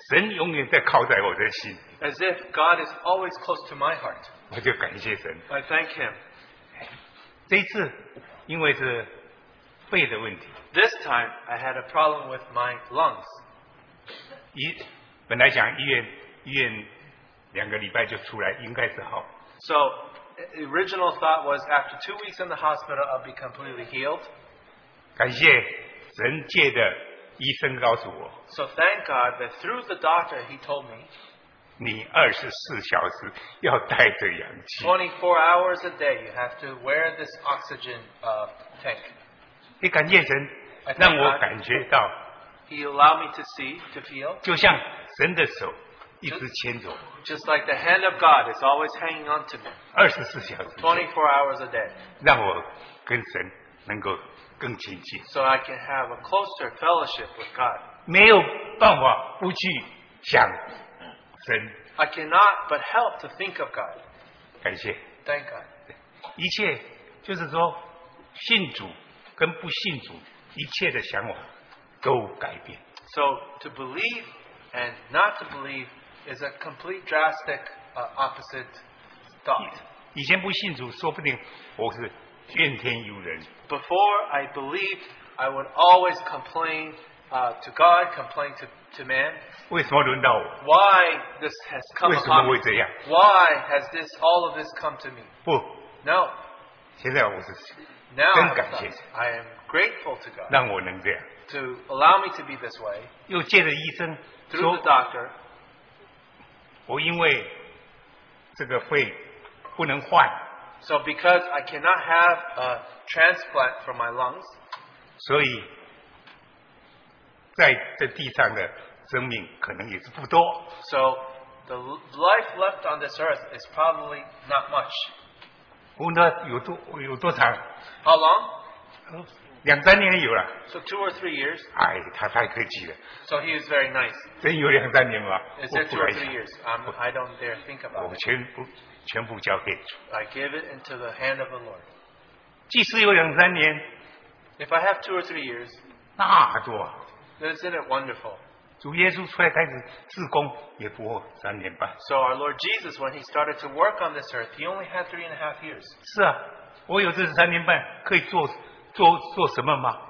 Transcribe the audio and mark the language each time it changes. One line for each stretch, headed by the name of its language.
Chinese: 所以也就感觉到好像是神永远在靠在我的心.
English: As if God is always close to my heart.
Chinese: 我就感谢神.
English: I thank him.
Chinese: 这一次因为是肺的问题.
English: This time I had a problem with my lungs.
Chinese: 本来讲医院两个礼拜就出来应该是好.
English: So the original thought was after 2 weeks in the hospital, I'll be completely healed.
Chinese: 感谢神界的医生告诉我,
English: so thank God that through the doctor, he told me,
Chinese: 你24小时要带着氧气,
English: 24 hours a day, you have to wear this oxygen tank.
Chinese: 也感谢神,
English: I thank
Chinese: 让我感觉到,
English: he allowed me to see, to feel,
Chinese: 就像神的手, 一直牵着我,
English: just like the hand of God is always hanging on to me.
Chinese: 24小时,
English: 24 hours a day.
Chinese: 让我跟神能够更亲近,
English: so I can have a closer fellowship with God.
Chinese: 没有办法不去想神。
English: I cannot but help to think of God.
Chinese: 感谢。
English: Thank God.
Chinese: 一切就是说信主跟不信主一切的想法都改变。
English: So to believe and not to believe is a complete drastic opposite thought.
Chinese: 以前不信主说不定我是怨天尤人。
English: Before I believed, I would always complain to God, complain to man.
Chinese: 为什么轮到我?
English: Why this has come upon me?
Chinese: 为什么会这样?
English: Why has this, all of this come to me?
Chinese: 不。
English: No.
Chinese: 现在我是
English: Now,
Chinese: 真感谢。
English: I am grateful to God.
Chinese: 让我能这样。
English: To allow me to be this way.
Chinese: 又借着医生说,
English: through the doctor.
Chinese: 我因为这个肺不能换。
English: So because I cannot have a transplant for my lungs,
Chinese: 所以在这地上的生命可能也是不多。
English: So the life left on this earth is probably not much.
Chinese: 不过有多长?
English: How long?
Chinese: 两三年有了。
English: So two or three years.
Chinese: 哎，他太客气了。
English: So he is very nice.
Chinese: 真有两三年吗?
English: Is it two or three years? I don't dare think about it.
Chinese: 我全不。全部交给主。
English: I give it into the hand of the Lord.
Chinese: 即使有两三年,
English: if I have two or three years,
Chinese: 那多啊,
English: then isn't it wonderful?
Chinese: 主耶稣出来开始事工也不过三年半。
English: So our Lord Jesus, when he started to work on this earth, he only had 3.5 years.
Chinese: 是啊, 我有这三年半可以做什么吗?